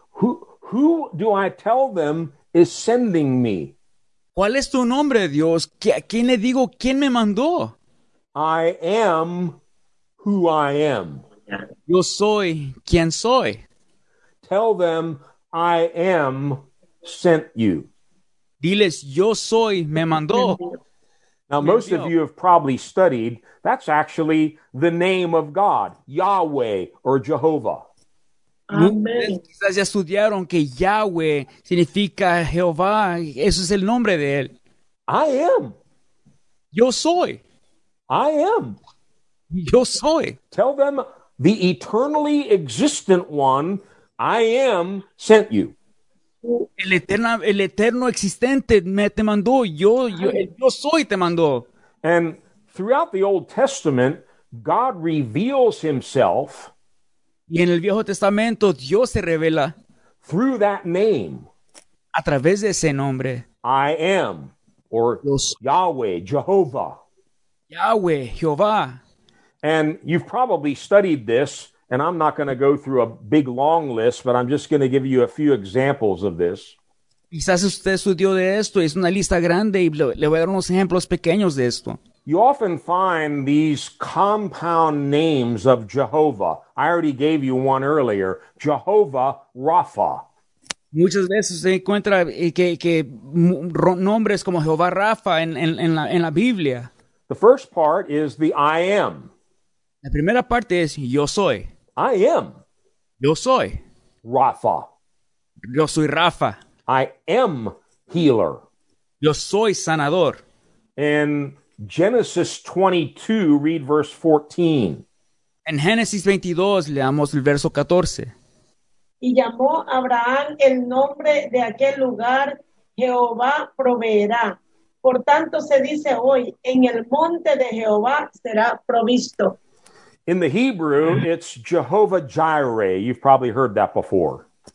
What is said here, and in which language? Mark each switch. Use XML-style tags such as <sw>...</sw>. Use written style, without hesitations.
<en>Who do I tell them is sending me?</en> <es>¿Cuál es tu nombre, Dios? ¿A quién le digo quién me mandó?</es> <en>I am who I am.</en> <es>Yo soy quien soy.</es> <en>Tell them I am sent you.</en> <es>Diles, yo soy, me mandó.</es> <en>Now, most of you have probably studied, that's actually the name of God, Yahweh or Jehovah.</en> <es>Amén. Quizás ya estudiaron que Yahweh significa Jehová. Eso es el nombre de él.</es> <en>I am.</en> <es>Yo soy.</es> <en>I am.</en> <es>Yo soy.</es> <en>Tell them the eternally existent one, I am, sent you.</en> <es>El eterno existente me te mandó. Yo soy te mandó.</es> <en>And throughout the Old Testament, God reveals himself.</en> <es>Y en el Viejo Testamento, Dios se revela</es> <en>through that name,</en> <es>a través de ese nombre.</es> <en>I am, or Yahweh, Jehovah.</en> <es>Yahweh, Jehovah.</es> <en>And you've probably studied this, and I'm not going to go through a big long list, but I'm just going to give you a few examples of this.</en> <es>Quizás usted estudió de esto, es una lista grande, y le voy a dar unos ejemplos pequeños de esto.</es> <en>You often find these compound names of Jehovah. I already gave you one earlier, Jehovah Rapha.</en> <es>Muchas veces se encuentra que nombres como Jehová Rafa en la Biblia.</es> <en>The first part is the I am.</en> <es>La primera parte es yo soy.</es> <en>I am.</en> <es>Yo soy. Rafa. Yo soy Rafa.</es> <en>I am healer.</en> <es>Yo soy sanador.</es> <en>In Genesis 22, read verse 14.</en> <es>En Génesis 22, leamos el verso 14. Y llamó Abraham el nombre de aquel lugar, Jehová proveerá. Por tanto, se dice hoy, en el monte de Jehová será provisto.</es> <en>In the Hebrew, it's Jehovah Jireh. You've probably heard that before.</en>